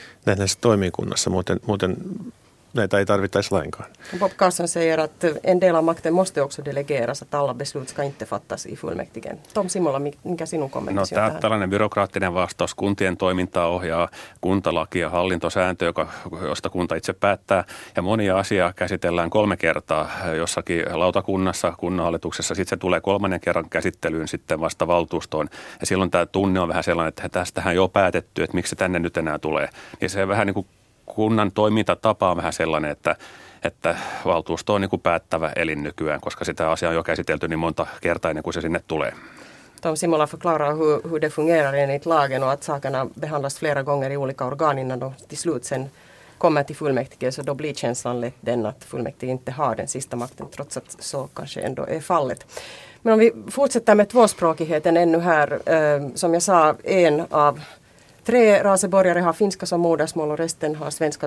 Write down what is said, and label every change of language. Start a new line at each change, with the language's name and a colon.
Finnish: Näinhän se toimii kunnassa, muuten näitä ei tarvittaisi lainkaan.
Swedish: Bob Karlsson säger att en del av makten måste också delegeras, att alla beslut ska inte fattas i fullmäktigen.
Finnish: Tom Simola, mikä sinun kommentti on tähän? No, tällainen byrokraattinen vastaus. Kuntien toimintaa ohjaa kuntalaki ja hallintosääntö, josta kunta itse päättää. Ja monia asiaa käsitellään kolme kertaa jossakin lautakunnassa, kunnanhallituksessa. Sitten se tulee kolmannen kerran käsittelyyn sitten vasta valtuustoon. Ja silloin tämä tunne on vähän sellainen, että tästähän jo päätetty, että miksi se tänne nyt enää tulee. Ja se vähän niin kuin kunnan toimintatapa on vähän sellainen, että valtuusto on niin kuin päättävä elin nykyään, koska sitä asiaa on jo käsitelty niin monta kertaa ennen kuin se sinne tulee.
Swedish: Tom Simola förklarar hur det fungerar enligt lagen och att sakerna behandlas flera gånger i olika organ innan de till slut sen kommer till fullmäktige, så då blir känslan lätt den att fullmäktige inte har den sista makten, trots att så kanske ändå är fallet. Men om vi fortsätter med tvåspråkigheten ännu här, som jag sa, en av tre raseborgare har finska som modersmål och resten har svenska.